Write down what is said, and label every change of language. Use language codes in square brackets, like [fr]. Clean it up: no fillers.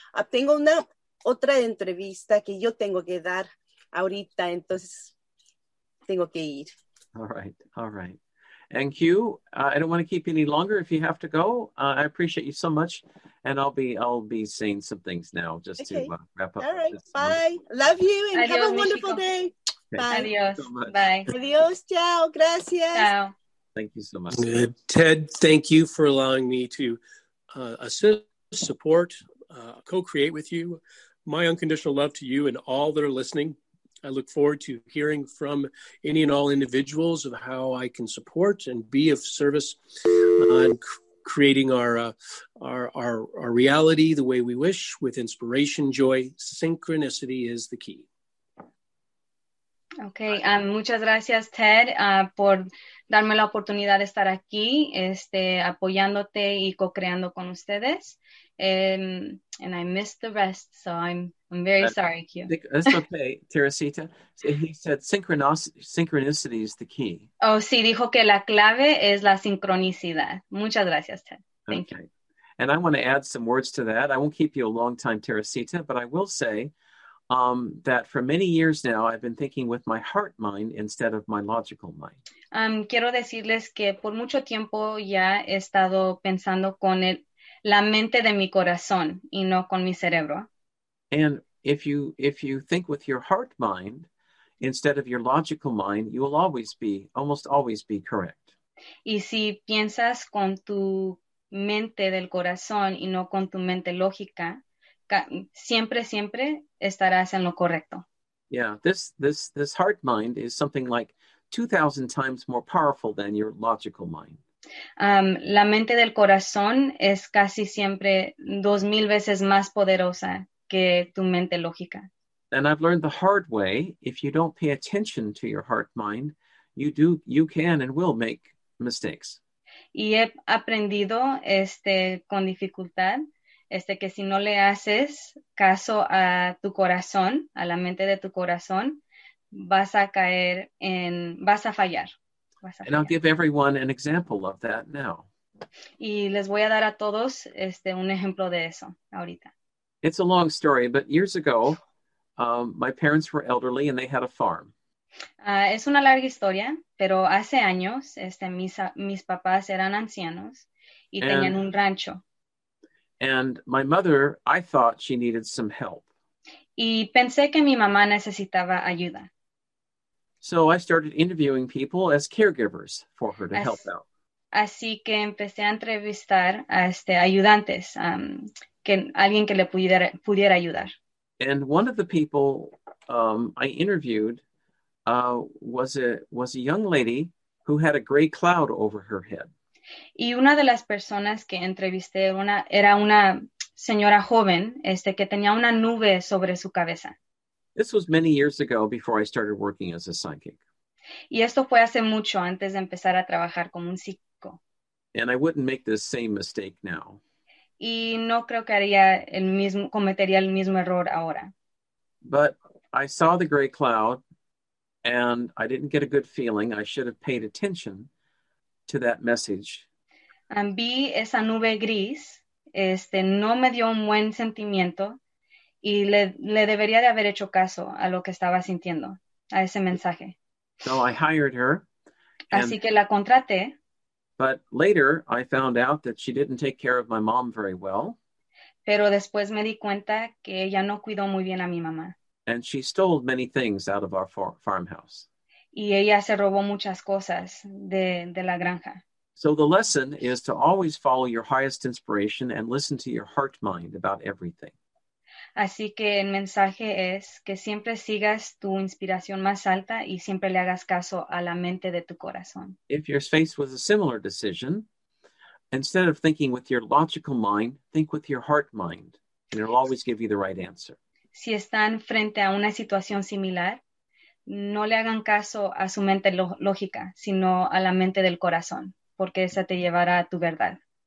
[es] Tengo una otra entrevista que yo tengo que dar ahorita, entonces tengo que ir. [en] All right. And Q, I don't want to keep you any longer. If you have to go, I appreciate you so much. And I'll be saying some things now to wrap up. All right. Bye. Love you and [es] adios, [en] have a wonderful Mexico. Day. Okay. Bye. [es] Adios. Bye. Adios. Ciao. Gracias. [it] Ciao. [en] Thank you so much. Ted, thank you for allowing me to assist, support, co-create with you. My unconditional love to you and all that are listening. I look forward to hearing from any and all individuals of how I can support and be of service on creating our reality the way we wish with inspiration, joy, synchronicity is the key. [es] Okay, muchas gracias, Ted, por darme la oportunidad de estar aquí, apoyándote y co-creando con ustedes. [en] And I missed the rest, so I'm very sorry, Q. That's okay, Teresita. He said synchronicity is the key. [es] Oh, sí, dijo que la clave es la sincronicidad. Muchas gracias, Ted. [en] Thank you. And I want to add some words to that. I won't keep you a long time, Teresita, but I will say that for many years now, I've been thinking with my heart mind instead of my logical mind. [es] Quiero decirles que por mucho tiempo ya he estado pensando con la mente de mi corazón y no con mi cerebro. [en] And if you think with your heart mind instead of your logical mind, you will almost always be correct. [es] Y si piensas con tu mente del corazón y no con tu mente lógica, siempre estarás en lo correcto. [en] Yeah, this heart mind is something like 2,000 times more powerful than your logical mind. [es] La mente del corazón es casi siempre 2,000 veces más poderosa que tu mente lógica. [en] And I've learned the hard way, if you don't pay attention to your heart mind, you can and will make mistakes. [es] Y he aprendido con dificultad que si no le haces caso a tu corazón, a la mente de tu corazón, vas a fallar. [en] And I'll give everyone an example of that now. [es] Y les voy a dar a todos un ejemplo de eso ahorita. [en] It's a long story, but years ago, my parents were elderly and they had a farm. [es] Es una larga historia, pero hace años, mis papás eran ancianos y tenían un rancho. [en] And my mother, I thought she needed some help. [es] Y pensé que mi mamá necesitaba ayuda. [en] So I started interviewing people as caregivers for her to help out. [es] Así que empecé a entrevistar a ayudantes, alguien que le pudiera ayudar. [en] And one of the people I interviewed was a young lady who had a gray cloud over her head. [es] Y una de las personas que entrevisté era una señora joven que tenía una nube sobre su cabeza. [en] This was many years ago before I started working as a psychic. [es] Y esto fue hace mucho antes de empezar a trabajar como un psíquico. [en] And I wouldn't make the same mistake now. [es] Y no creo que cometería el mismo error ahora. [en] But I saw the gray cloud and I didn't get a good feeling. I should have paid attention to that message. [es] Vi esa nube gris, no me dio un buen sentimiento. Y le debería de haber hecho caso a lo que estaba sintiendo, a ese mensaje. [en] So I hired her. [es] Así que la contraté. [en] But later I found out that she didn't take care of my mom very well. [es] Pero después me di cuenta que ella no cuidó muy bien a mi mamá. [en] And she stole many things out of our farmhouse. [es] Y ella se robó muchas cosas de la granja. [en] So the lesson is to always follow your highest inspiration and listen to your heart mind about everything. [es] Así que el mensaje es que siempre sigas tu inspiración más alta y siempre le hagas caso a la mente de tu corazón. [en] If you're faced with a similar decision, instead of thinking with your logical mind, think with your heart mind, and it'll always give you the right answer. [es] Si están frente a una situación similar, no le hagan caso a su mente lógica, sino a la mente del corazón, porque esa te llevará a tu verdad.